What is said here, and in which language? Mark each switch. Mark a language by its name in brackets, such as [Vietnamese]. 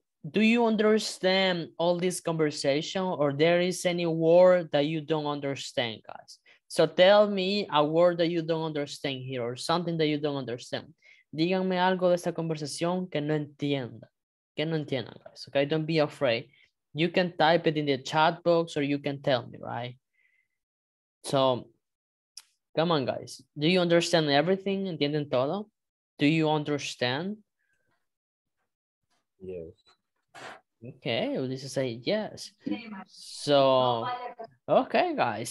[English] Do you understand all this conversation, or there is any word that you don't understand, guys? So tell me a word that you don't understand here, or something that you don't understand. [Spanish] Díganme algo de esta conversación que no entienda. Que no entiendan, [English] guys, okay? Don't be afraid. You can type it in the chat box, or you can tell me, right? So... come on, guys. Do you understand everything? [Spanish] ¿Entienden todo? [English] Do you understand? Yes. Okay, well, this is a yes. So, okay, guys.